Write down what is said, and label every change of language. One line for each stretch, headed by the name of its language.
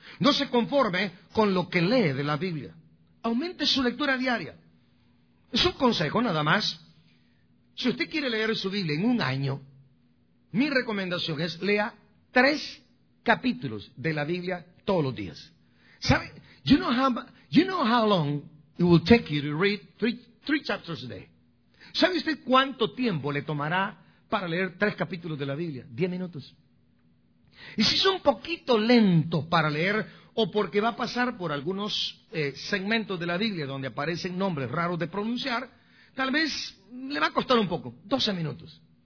Spanish: No se conforme con lo que lee de la Biblia. Aumente su lectura diaria. Es un consejo nada más. Si usted quiere leer su Biblia en un año, mi recomendación es lea 3 capítulos de la Biblia todos los días. ¿Sabe?
English: You know how long it will take you to read three chapters a day?
Spanish: ¿Sabe usted cuánto tiempo le tomará para leer 3 capítulos de la Biblia? 10 minutos. Y si es un poquito lento para leer, o porque va a pasar por algunos segmentos de la Biblia donde aparecen nombres raros de pronunciar, tal vez le va a costar un poco, 12 minutos.